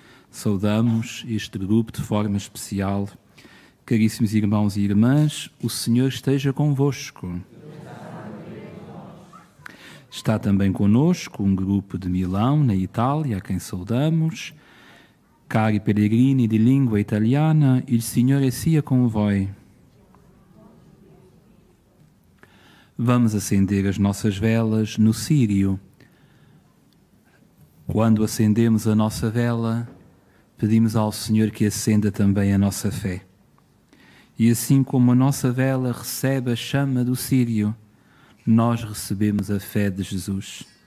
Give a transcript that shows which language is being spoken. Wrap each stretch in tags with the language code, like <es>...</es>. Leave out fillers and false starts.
<pt>Saudamos este grupo de forma especial. Caríssimos irmãos e irmãs, o Senhor esteja convosco. Está também conosco um grupo de Milão, na Itália, a quem saudamos.</pt> <it>Cari peregrini</it> <pt>de língua</pt> <it>italiana, il Signore sia con voi.</it> <pt>Vamos acender as nossas velas no Sírio. Quando acendemos a nossa vela, pedimos ao Senhor que acenda também a nossa fé. E assim como a nossa vela recebe a chama do Sírio, nós recebemos a fé de Jesus.</pt>